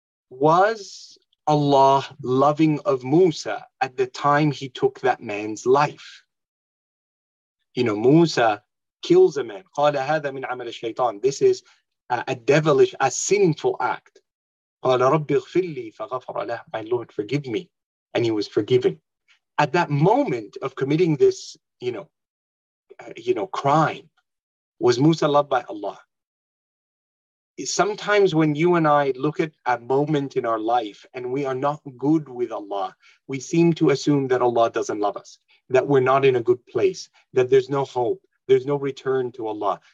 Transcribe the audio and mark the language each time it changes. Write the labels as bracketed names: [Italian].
[English] Was Allah loving of Musa at the time he took that man's life? You know, Musa kills a man. [Arabic] قَالَ هَذَا مِنْ عَمَلِ الشَّيْطَانِ, [English] this is a devilish, a sinful act. [Arabic] قَالَ رَبِّ اغْفِرْ لِي فَغَفَرَ لَهُ, [English] my Lord, forgive me. And he was forgiven. At that moment of committing this, crime, was Musa loved by Allah? Sometimes when you and I look at a moment in our life and we are not good with Allah, we seem to assume that Allah doesn't love us, that we're not in a good place, that there's no hope, there's no return to Allah.